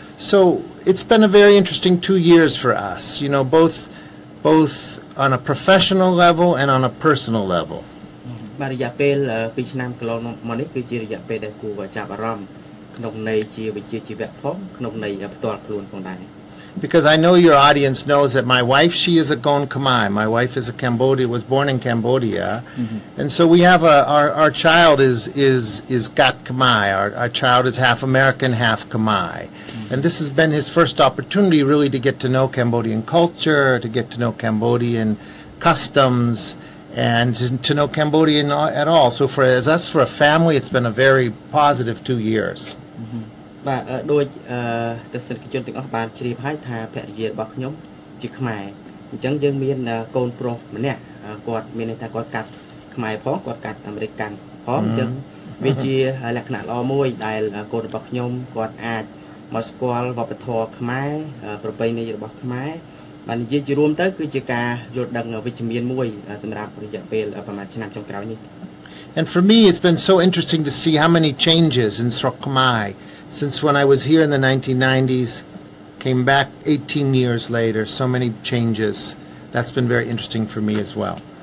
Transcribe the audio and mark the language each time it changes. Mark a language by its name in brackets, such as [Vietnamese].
[English] So it's been a very interesting 2 years for us, you know, both on a professional level and on a personal level. [Khmer] បាទរយៈពេល2ឆ្នាំកន្លងមកនេះគឺជារយៈពេលដែលគួរចាប់អារម្មណ៍ក្នុងន័យជាវិជ្ជាជីវៈផងក្នុងន័យផ្ទាល់ខ្លួនផងដែរ [English] Because I know your audience knows that my wife, she is a Gon Khmer. My wife is a Cambodian, was born in Cambodia. Mm-hmm. And so we have our child is Gat Khmer. Our child is half American, half Khmer. Mm-hmm. And this has been his first opportunity really to get to know Cambodian culture, to get to know Cambodian customs, and to know Cambodian at all. So for us, for a family, it's been a very positive 2 years. Mm-hmm. [Khmer] បាទដូចទស្សនិកជនទាំងអស់បានជ្រាបហើយថាភរិយារបស់ខ្ញុំជាខ្មែរអញ្ចឹងយើងមានកូនប្រុសម្នាក់គាត់មានន័យថាគាត់កាត់ខ្មែរផងគាត់កាត់អាមេរិកកាន់ផងអញ្ចឹងវាជាលក្ខណៈល្អមួយដែលកូនរបស់ខ្ញុំគាត់អាចមកស្គាល់វប្បធម៌ខ្មែរប្រពៃណីរបស់ខ្មែរបាទនិយាយជារួមទៅគឺជាការយល់ដឹងវិជ្ជមានមួយសម្រាប់រយៈពេលប្រហែលឆ្នាំចុងក្រោយនេះ [English] And for me it's been so interesting to see how many changes in Srok Khmer. Since when I was here in the 1990s, came back 18 years later, so many changes. That's been very interesting for me as well.